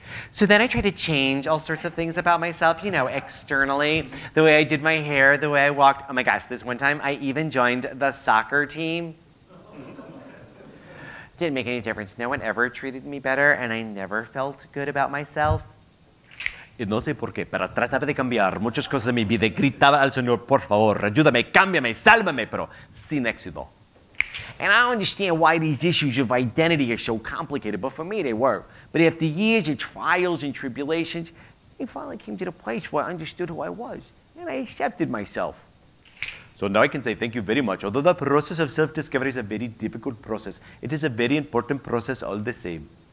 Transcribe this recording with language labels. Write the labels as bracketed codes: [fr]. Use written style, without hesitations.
[en] So then I tried to change all sorts of things about myself, you know, externally, the way I did my hair, the way I walked. Oh my gosh, this one time I even joined the soccer team. Didn't make any difference. No one ever treated me better, and I never felt good about myself. [es] Y no sé por qué, pero trataba de cambiar muchas cosas de mi vida. Gritaba al Señor, por favor, ayúdame, cámbiame, sálvame, pero sin éxito. [en] And I don't understand why these issues of identity are so complicated, but for me they were. But after years of trials and tribulations, I finally came to the place where I understood who I was, and I accepted myself. So now I can say thank you very much. Although the process of self-discovery is a very difficult process, it is a very important process all the same.